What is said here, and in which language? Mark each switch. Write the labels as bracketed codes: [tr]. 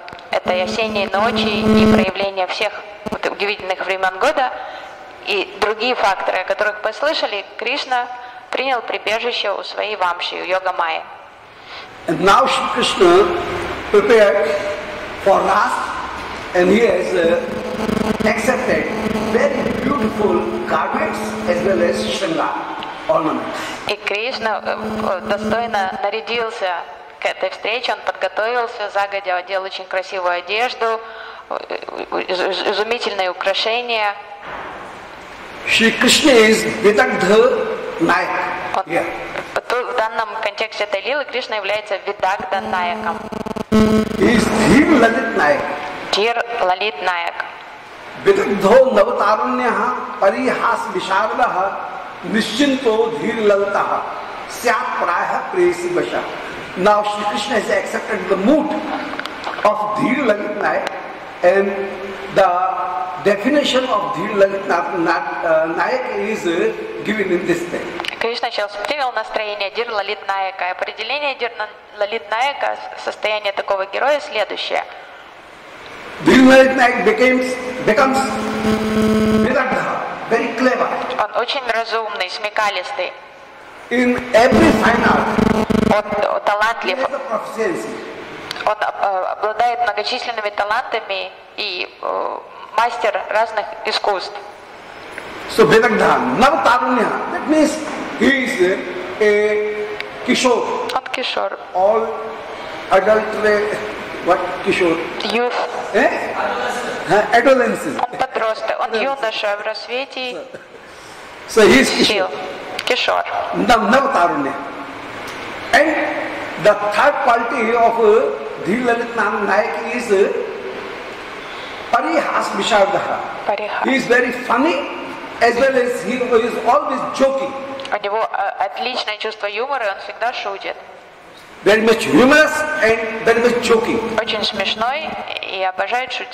[ru] этой осенней ночи и проявление всех вот удивительных времен года, и другие факторы, о которых послышали, Кришна принял прибежище у своей вамши, у Йогамайи. [en] And now Shri Krishna prepared for us and he has accepted very beautiful garments as well as Shringar ornaments. [ru] И Кришна достойно нарядился к этой встрече, он подготовился загодя, одел очень красивую одежду, изумительные украшения. [en] Shri Krishna is Vidagdha Nayak. [ru] В данном контексте этой лилы Кришна является Видагдха Наяком. [sa] Дхир Лалит Наяк. Дхир Лалит Наяк. Видагдхо Наватаруньяха Парихас Вишардаха Нишчинто Дхир Лалитаха Сят Прайха Преси Баша. [en] Now Shri Krishna has accepted the mood of Dhir Lalit Naik and the definition of Dhir Lalit Naik is given in this text. [ru] Кришна сейчас привел настроение Дир Лалит Наяка. И определение Дир Лалит Наяка, состояние такого героя, следующее. [en] Дир Лалит Наяк becomes Vidagdha, very clever. [ru] Он очень разумный, смекалистый. [en] In every fine art. [ru] Он талантлив. [en] He has a proficiency. [ru] Он обладает многочисленными талантами и мастер разных искусств. [en] So Vidagdha, Navatarunya, that means he is a Kishore. What Kishore? All adult, what Kishore? Youth. Eh? Adolescence. [ru] Он подросток, он юноша в рассвете. [en] So he is Kishore. Kishore. Navatarunya. And the third quality of Dhir Lalit Naik is Parihas Vishardaha. Parihas. He is very funny as well as he is always joking. [ru] У него отличное чувство юмора, и он всегда шутит. [en] Very much humorous and very much joking. [ru] Очень смешной и обожает